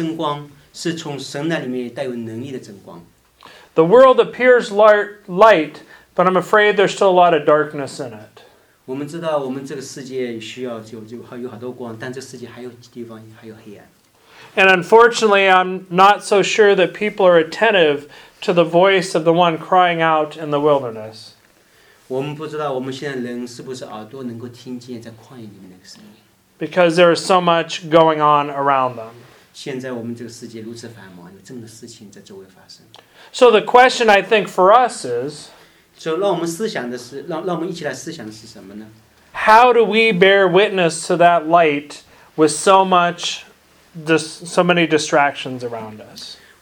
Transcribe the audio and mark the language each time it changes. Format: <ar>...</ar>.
<zh>我们知道主耶稣所带来的那个真光是从神那里面带有能力的真光。</zh> <en>The world appears light, but I'm afraid there's still a lot of darkness in it.</en> <zh>我们知道我们这个世界需要有好多光，但这世界还有地方还有黑暗。</zh> <en>And unfortunately, I'm not so sure that people are attentive to the voice of the one crying out in the wilderness.</en> <zh>我们不知道我们现在人是不是耳朵能够听见在旷野里面那个声音。</zh> <en>Because there is so much going on around them.</en> <zh>现在我们这个世界如此繁忙，有这么多事情在周围发生。</zh> <en>So the question I think for us is,</en> <zh>让我们一起来思想的是什么呢？</zh> <en>How do we bear witness to that light with so many distractions around us?</en>